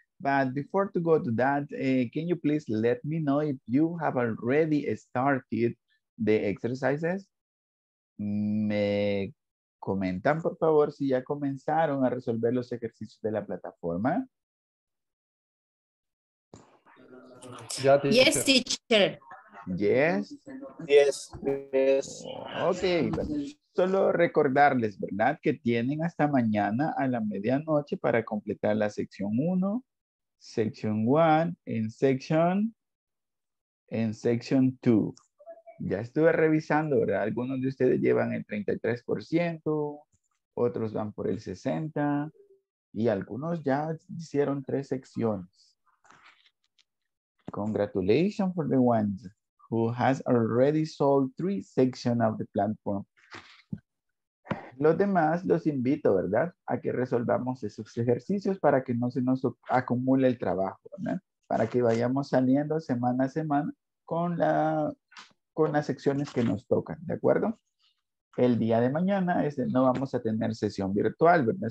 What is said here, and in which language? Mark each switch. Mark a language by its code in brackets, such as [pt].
[en] But before to go to that, can you please let me know if you have already started the exercises? [es] Me comentan, por favor, si ya comenzaron a resolver los ejercicios de la plataforma. [en] Yes, teacher. Yes. Yes. Yes. [es] Okay. Bueno, solo recordarles, ¿verdad? Que tienen hasta mañana a la medianoche para completar la sección 1, sección 1, en section 2. Ya estuve revisando, ¿verdad? Algunos de ustedes llevan el 33%, otros van por el 60% y algunos ya hicieron 3 secciones. [en] Congratulations for the ones who has already solved 3 sections of the platform. [es] Los demás los invito, ¿verdad? A que resolvamos esos ejercicios para que no se nos acumule el trabajo, ¿verdad? Para que vayamos saliendo semana a semana con las secciones que nos tocan, ¿de acuerdo? El día de mañana no vamos a tener sesión virtual, ¿verdad?